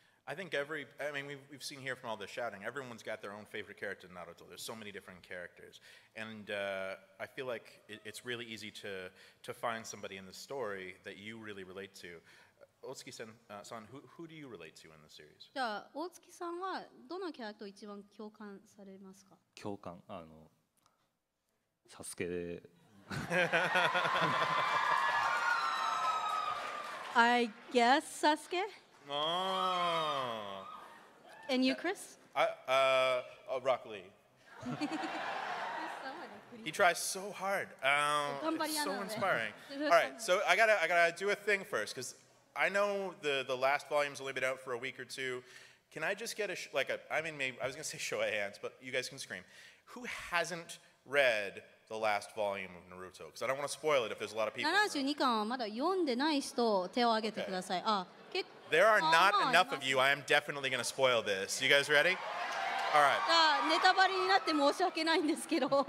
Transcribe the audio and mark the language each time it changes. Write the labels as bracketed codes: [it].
[en] I think we've seen here from all the shouting, everyone's got their own favorite character in Naruto. There's so many different characters. And I feel like it's really easy to find somebody in the story that you really relate to. Otsuki-san, who do you relate to in the series? [ja] じゃあ、大月さんはどのキャラクターを一番共感されますか？共感、あの、サスケで。 [en] I guess Sasuke. Oh. And you, Chris? Rock Lee. He tries so hard. It's so inspiring. All right, so I gotta do a thing first, because I know the last volume's only been out for a week or two. Can I just get I was gonna say show of hands, but you guys can scream. Who hasn't read the last volume of Naruto? Because I don't want to spoil it if there's a lot of people. [ja] 72巻はまだ読んでない人手を挙げてください。あ、結構。 [en] There are not enough of you. I am definitely going to spoil this. You guys ready? All right. [ja] じゃあネタバレになって申し訳ないんですけど。